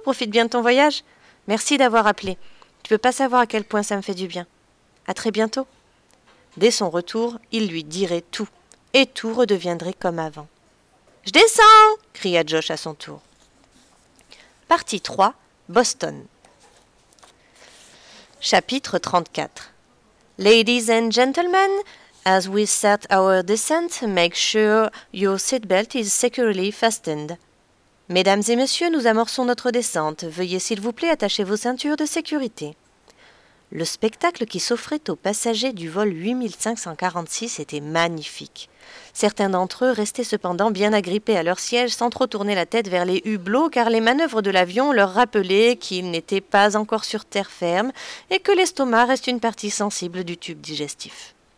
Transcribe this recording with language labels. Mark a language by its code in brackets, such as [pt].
[fr] Profite bien de ton voyage. Merci d'avoir appelé. Tu peux pas savoir à quel point ça me fait du bien. À très bientôt. Dès son retour, il lui dirait tout. Et tout redeviendrait comme avant. Je descends ! Cria Josh à son tour. Partie 3. Boston. Chapitre 34. [en] Ladies and gentlemen, as we start our descent, make sure your seatbelt is securely fastened. [fr] Mesdames et messieurs, nous amorçons notre descente. Veuillez s'il vous plaît attacher vos ceintures de sécurité. Le spectacle qui s'offrait aux passagers du vol 8546 était magnifique. Certains d'entre eux restaient cependant bien agrippés à leur siège sans trop tourner la tête vers les hublots car les manœuvres de l'avion leur rappelaient qu'ils n'étaient pas encore sur terre ferme et que l'estomac reste une partie sensible du tube digestif.